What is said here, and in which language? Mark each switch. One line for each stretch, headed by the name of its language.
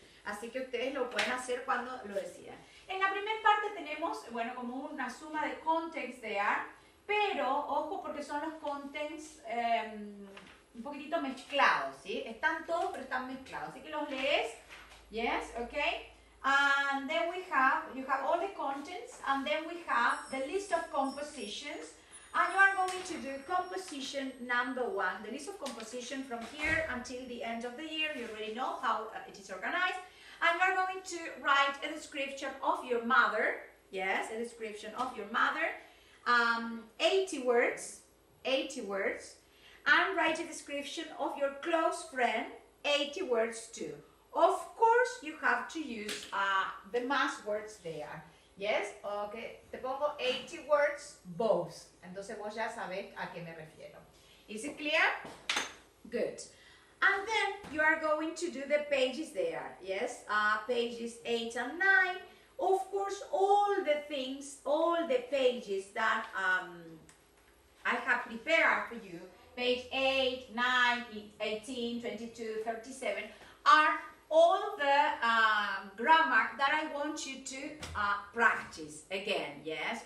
Spanish: Así que ustedes lo pueden hacer cuando lo decidan. En la primera parte tenemos, bueno, como una suma de
English: contents there.
Spanish: Pero, ojo, porque son los contents un poquitito mezclados, ¿sí? Están todos, pero están mezclados. Así que los lees.
English: Yes, okay. And then we have, you have all the contents, and then we have the list of compositions, and you are going to do composition number 1, the list of composition from here until the end of the year. You already know how it is organized, and you are going to write a description of your mother, yes, a description of your mother, 80 words, and write a description of your close friend, 80 words too. Of course, you have to use the mass words there. Yes? Okay.
Spanish: Te pongo
English: 80 words, both.
Spanish: Entonces, vos ya sabes a qué me refiero.
English: Is it clear? Good. And then, you are going to do the pages there. Yes? Pages 8 and 9. Of course, all the things, all the pages that I have prepared for you, page 8, 9, 18, 22, 37, are all the grammar that I want you to practice again, yes?